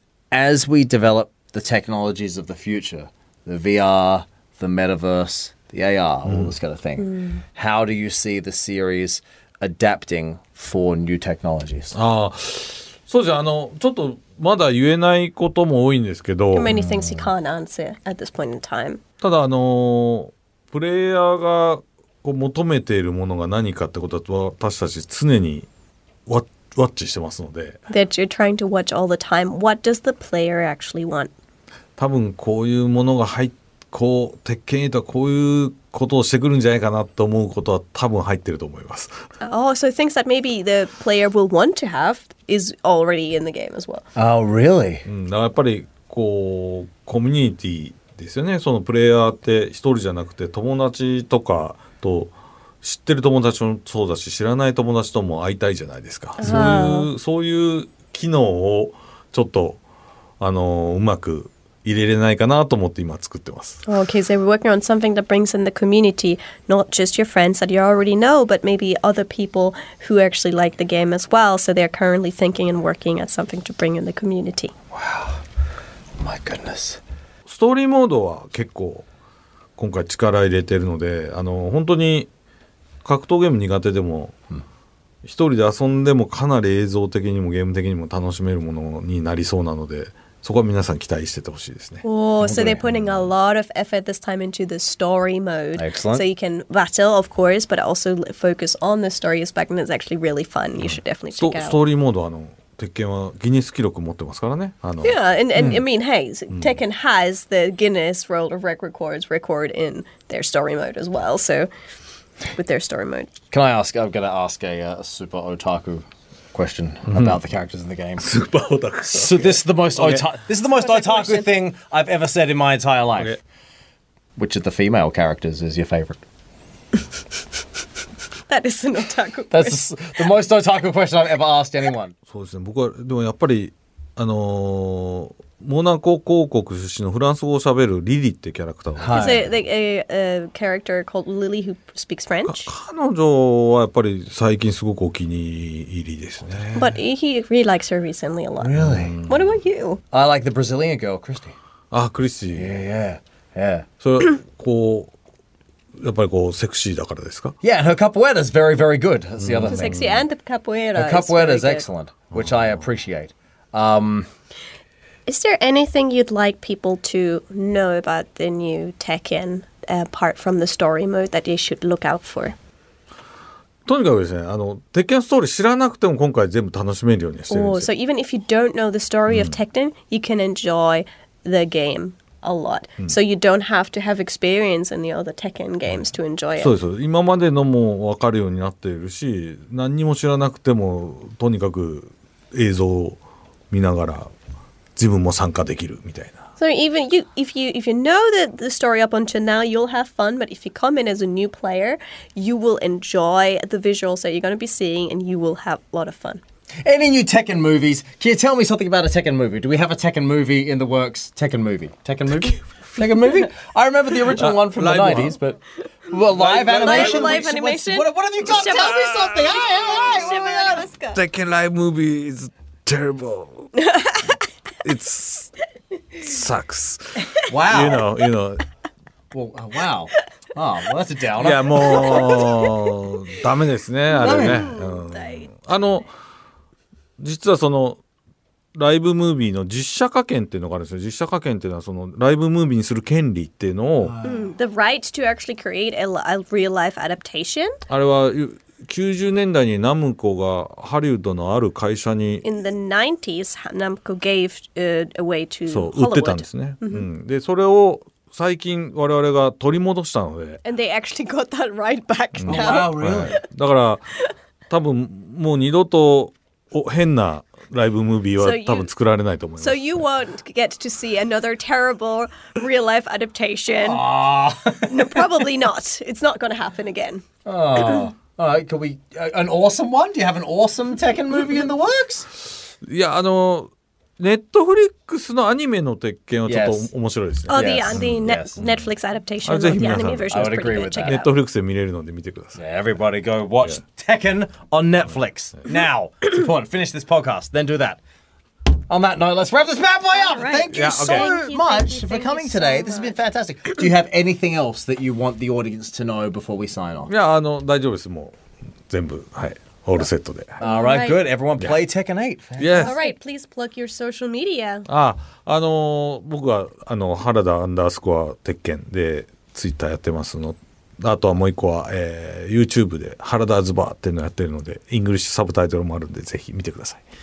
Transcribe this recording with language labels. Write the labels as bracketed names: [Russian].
[English] As we develop the technologies of the future, the VR, the metaverse, the AR, all this kind of thing, how do you see the series adapting for new technologies. Ah, so [Japanese] じゃあのちょっとまだ言えないことも多いんですけど。 [English] Many things he can't answer at this point in time. [Japanese] ただあのプレイヤーがこう求めているものが何かってことは私たち常にワッチしてますので。 [English] That you're trying to watch all the time. What does the player actually want? [Japanese] 多分こういうものが入ってこう鉄拳8はこういうことをしてくるんじゃないかなと思うことは多分入ってると思います。 [English] Oh, so things that maybe the player will want to have is already in the game as well. Oh, really? [Japanese] うん、だからやっぱりこうコミュニティですよね。そのプレイヤーって一人じゃなくて友達とかと知ってる友達もそうだし、知らない友達とも会いたいじゃないですか。そういう機能をちょっとうまく入れれないかなと思って今作ってます。 [English] Okay, so we're working on something that brings in the community, not just your friends that you already know, but maybe other people who actually like the game as well. So they're currently thinking and working at something to bring in the community. Wow, my goodness. [Japanese] ストーリーモードは結構今回力入れてるので、本当に格闘ゲーム苦手でも、一人で遊んでもかなり映像的にもゲーム的にも楽しめるものになりそうなので。そこは皆さん期待しててほしいですね。 [English] Oh, so they're putting a lot of effort this time into the story mode. Excellent. So you can battle, of course, but also focus on the story aspect, and it's actually really fun. You should definitely check out. [Japanese] ストーリーモードは鉄拳はギネス記録持ってますからね。 [English] Yeah, and I mean, hey, Tekken has the Guinness World of Records record in their story mode as well. So with their story mode. Can I ask? I'm gonna ask a super otaku. Question about the characters in the game. Super otaku. So this is the most this is the most otaku thing I've ever said in my entire life. Which of the female characters is your favorite? That is an otaku question. That's the most otaku question I've ever asked anyone. [Japanese] そうですね。僕はでもやっぱりモナコ公国出身のフランス語を喋るリリってキャラクターが。はい。 [English] So like a character called Lily who speaks French. [Japanese] 彼女はやっぱり最近すごくお気に入りですね。 [English] But he really likes her recently a lot. Really? What about you? I like the Brazilian girl, Christy. [Japanese] あ、クリスティ。 [English] Yeah, yeah, yeah. [Japanese] それこうやっぱりこうセクシーだからですか [English] ？Yeah, her capoeira is very, very good. That's the other thing. Sexy and the capoeira. Her capoeira is excellent, which I appreciate. Is there anything you'd like people to know about the new Tekken apart from the story mode that they should look out for? [Japanese] とにかくですね、Tekken ストーリー知らなくても今回全部楽しめるようにしてるんですよ。 [English] So even if you don't know the story of Tekken, you can enjoy the game a lot. So you don't have to have experience in the other Tekken games to enjoy it. [Japanese] そうです。今までのも分かるようになっているし、何にも知らなくてもとにかく映像を見ながら自分も参加できるみたいな。 [English] So even you, if you know the story up until now, you'll have fun. But if you come in as a new player, you will enjoy the visuals that you're going to be seeing, and you will have a lot of fun. Any new Tekken movies? Can you tell me something about a Tekken movie? Do we have a Tekken movie in the works? Tekken movie. Tekken movie. Tekken movie. I remember the original one from the 90s, but live animation. Live animation. hey. Tekken live movie is terrible. It sucks. Wow. You know. Well, wow. Oh, well, that's a downer. [Japanese] Yeah, もうダメですね、あれね。実はそのライブムービーの実写化権っていうのがあるんですよ。実写化権っていうのはそのライブムービーにする権利っていうのを。 [English] The right to actually create a real life adaptation? [Japanese] あれは90年代にナムコがハリウッドのある会社に [English] In the 90s, ナムコ gave it away to Hollywood. [Japanese] 売ってたんですね。うん、でそれを最近我々が取り戻したので [English] And they actually got that right back now. Wow, really? [Japanese] だから多分もう二度と変なライブムービーは多分作られないと思います。 [English] So you won't get to see another terrible real life adaptation. No, probably not. It's not going to happen again. An awesome one? Do you have an awesome Tekken movie in the works? [Japanese] Yeah, Netflix のアニメの鉄拳はちょっと面白いですね。 [English] Oh, Netflix adaptation of the anime version is pretty good. I would agree with that. [Japanese] Netflix で見れるので見てください。 [English] Yeah, everybody go watch Tekken on Netflix. Now, it's important. Finish this podcast, then do that. On that note, let's wrap this bad boy up. Thank you so much for coming today. This has been fantastic. Do you have anything else that you want the audience to know before we sign off? [Japanese] Yeah, 大丈夫です。もう全部、はい、オールセットで。 [English] All right, good. Everyone play Tekken 8. Yes. All right, please plug your social media. [Japanese] あの、僕はあの原田アンダースコア鉄拳でツイッターやってますの。あとはもう一個は、YouTube で原田ズバーっていうのやってるので、イングリッシュサブタイトルもあるんで、ぜひ見てください。